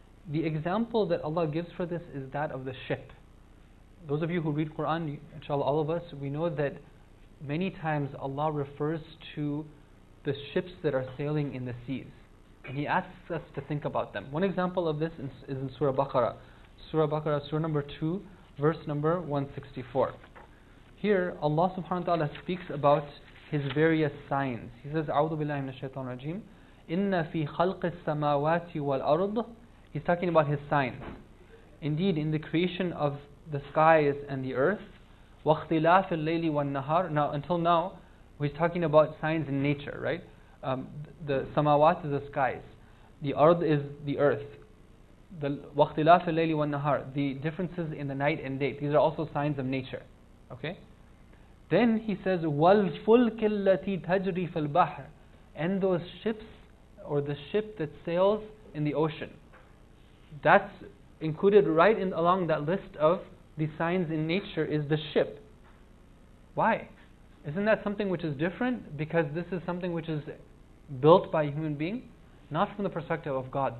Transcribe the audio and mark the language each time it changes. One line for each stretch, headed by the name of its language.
English: The example that Allah gives for this is that of the ship. Those of you who read Quran, inshallah all of us, we know that many times Allah refers to the ships that are sailing in the seas. And He asks us to think about them. One example of this is in Surah Baqarah. Surah Baqarah, Surah number 2, verse number 164. Here, Allah subhanahu wa ta'ala speaks about His various signs. He says,
Arabic: أعوذ بالله من الشيطان الرجيم إِنَّ فِي خَلْقِ السَّمَاوَاتِ وَالْأَرْضِ.
English: He's talking about His signs. Indeed, in the creation of the skies and the earth,
Arabic: وَاخْتِلَافِ اللَّيْلِ وَالنَّهَارِ.
English: Now, until now, He's talking about signs in nature, right? The samawat is the skies. The ard is the earth. The
Arabic: وَاخْتِلَافِ اللَّيْلِ وَالنَّهَارِ.
English: The differences in the night and day. These are also signs of nature. Okay? Then he says,
Arabic: وَالْفُلْكِ الَّتِي تَجْرِي فِي الْبَحْرِ.
English: And those ships, or the ship that sails in the ocean. That's included right in along that list of the signs in nature is the ship. Why? Isn't that something which is different? Because this is something which is built by a human being, not from the perspective of God.